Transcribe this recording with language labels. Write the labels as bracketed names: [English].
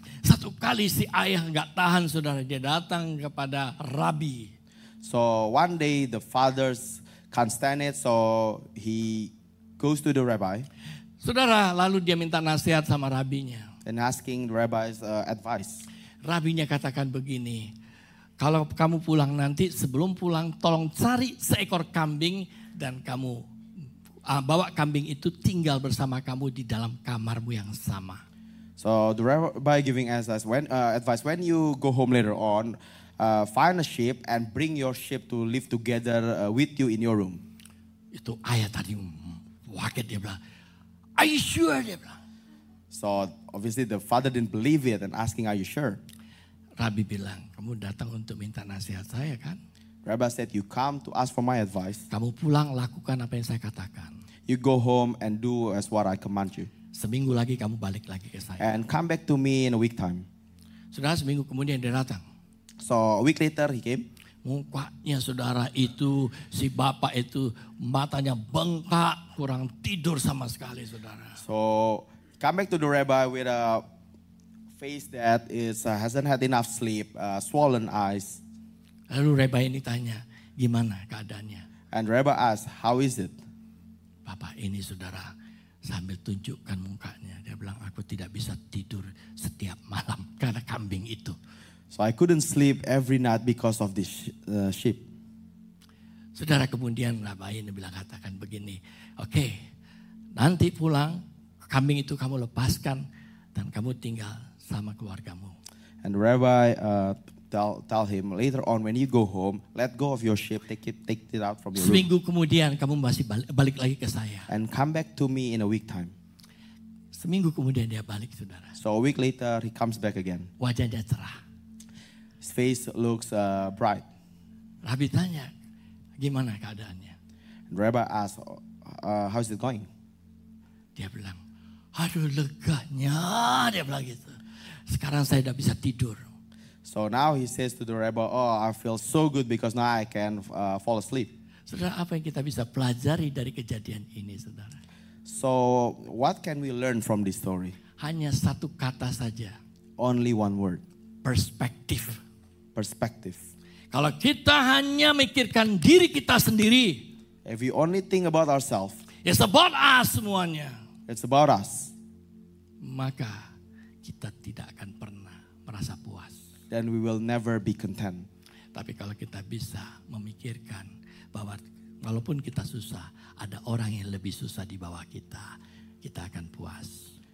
[Indonesian] Satu kali si ayah gak tahan, saudara, dia datang kepada Rabbi. [English] So one day the fathers can't stand it, so he goes to the Rabbi. [Indonesian] Saudara, lalu dia minta nasihat sama Rabbinya. [English] And asking the Rabbi's advice. [Indonesian] Rabbinya katakan begini, kalau kamu pulang nanti, sebelum pulang, tolong cari seekor kambing dan kamu bawa kambing itu tinggal bersama kamu di dalam kamarmu yang sama. [English] So the rabbi giving us advice, when you go home later on, find a sheep and bring your sheep to live together with you in your room. [Indonesian] Itu ayah tadi waket, dia bilang, [English] are you sure, [Indonesian] dia bilang. [English] So obviously the father didn't believe it and asking, are you sure? [Indonesian] Rabbi bilang, kamu datang untuk minta nasihat saya kan? [English] Rabbi said, you come to ask for my advice. [Indonesian] Kamu pulang, lakukan apa yang saya katakan. [English] You go home and do as what I command you. [Indonesian] Seminggu lagi kamu balik lagi ke saya. [English] And come back to me in a week time. [Indonesian] Saudara, seminggu kemudian dia datang. [English] So a week later he came. [Indonesian] Mukanya saudara itu, si bapak itu matanya bengkak, kurang tidur sama sekali saudara. [English] So come back to the rabbi with a face that is hasn't had enough sleep, swollen eyes. [Indonesian] Lalu rabbi ini tanya, gimana keadaannya? [English] And rabbi asks, how is it? [Indonesian] Bapak ini saudara sambil tunjukkan mukanya, dia bilang, aku tidak bisa tidur setiap malam karena kambing itu. [English] So I couldn't sleep every night because of this sheep. [Indonesian] Saudara kemudian rabbi ini bilang, katakan begini, okay, Nanti pulang, kambing itu kamu lepaskan dan kamu tinggal sama keluargamu. [English] And the rabbi tell him, later on when you go home, let go of your sheep, take it out from your room. [Indonesian] Seminggu kemudian kamu masih balik lagi ke saya. [English] And come back to me in a week time. [Indonesian] Seminggu kemudian dia balik, saudara. [English] So a week later he comes back again. [Indonesian] Wajahnya cerah. [English] His face looks bright. [Indonesian] Rabbi tanya, gimana keadaannya? [English] And rabbi asks, how is it going? [Indonesian] Dia bilang, aduh leganya, dia bilang gitu. Sekarang saya udah bisa tidur. [English] So now he says to the rabbi, oh, I feel so good because now I can fall asleep. [Indonesian] Saudara, apa yang kita bisa pelajari dari kejadian ini, saudara? [English] So what can we learn from this story? [Indonesian] Hanya satu kata saja. [English] Only one word. Perspective. Perspective. [Indonesian] Kalau kita hanya mikirkan diri kita sendiri. [English] If we only think about ourselves. It's about us semuanya. It's about us. [Indonesian] Maka kita tidak akan pernah merasa puas. [English] Then we will never be content. [Indonesian] Tapi kalau kita bisa memikirkan bahwa walaupun kita susah, ada orang yang lebih susah di bawah kita, kita akan puas.